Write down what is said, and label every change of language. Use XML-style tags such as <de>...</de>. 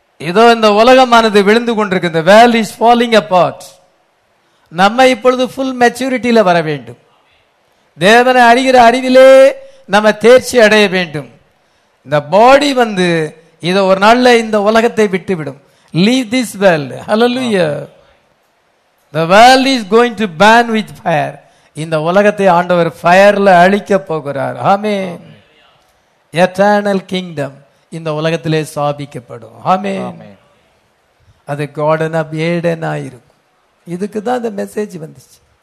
<ta>இதோ இந்த உலகமானது விழுந்து கொண்டிருக்கு, இந்த</ta> <en>World is falling apart.</en> <ta>நம்ம இப்பொழுது ஃபுல் மெச்சூரிட்டியில வர வேண்டும். தேவனை அறிகிற அறிவிலே நம்ம தேர்ச்சி அடைய வேண்டும். இந்த பாடி வந்து இதோ ஒரு நாள்ல இந்த உலகத்தை விட்டுவிடும்.</ta> <en>Leave this world. Hallelujah. The world is going to burn with fire.</en> <ta>இந்த உலகத்தை ஆண்டவர் ஃபயர்ல அழிக்க போகிறார். ஆமென்.</ta> <en>Eternal kingdom</en> <ta>இந்த உலகத்திலே சாபிக்கப்படும். ஆமென். அது garden of Eden ஆயிருக்கும். இதுக்கு தான் இந்த மெசேஜ் வந்துச்சு.</ta>